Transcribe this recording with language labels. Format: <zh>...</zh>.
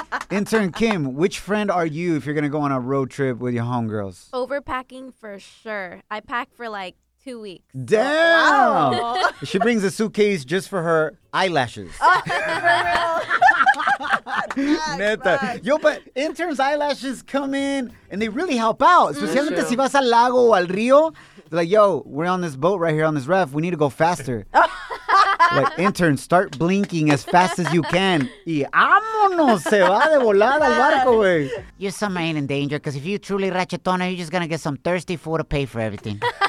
<en>Intern Kim, which friend are you if you're going to go on a road trip with your homegirls? Overpacking for sure. I pack for like 2 weeks. Damn. Wow. She brings a suitcase just for her eyelashes. For real.</en> <es>Neta.</es> <en>Yo, but interns' eyelashes come in and they really help out.</en> <es>Especialmente si vas al lago o al río.</es> <en>They're like, yo, we're on this boat right here on this ref. We need to go faster. Like, intern, start blinking as fast as you can.</en> <es>Y vámonos, se va de volada al barco, güey.</es> <en>Your summer ain't in danger, because if you truly Ratchetona, you're just going to get some thirsty fool to pay for everything.</en>